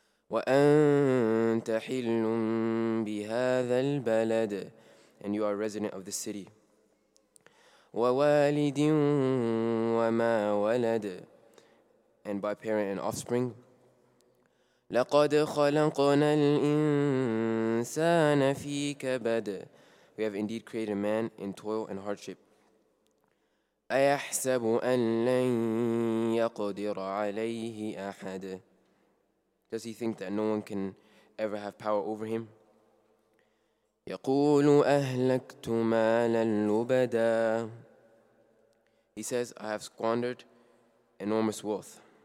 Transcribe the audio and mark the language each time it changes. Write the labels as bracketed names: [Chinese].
[Arabic] وأنت حل بهذا البلد. [English] And you are a resident of this city. [Arabic] ووالد وما ولد. [English] And by parent and offspring. [Arabic] لقد خلقنا الإنسان في كبد. [English] We have indeed created a man in toil and hardship. [Arabic] أيحسب أن لن يقدر عليه أحد. [English] Does he think that no one can ever have power over him? [Arabic] يقول أهلكت مالا لبدا. [English] He says, I have squandered enormous wealth.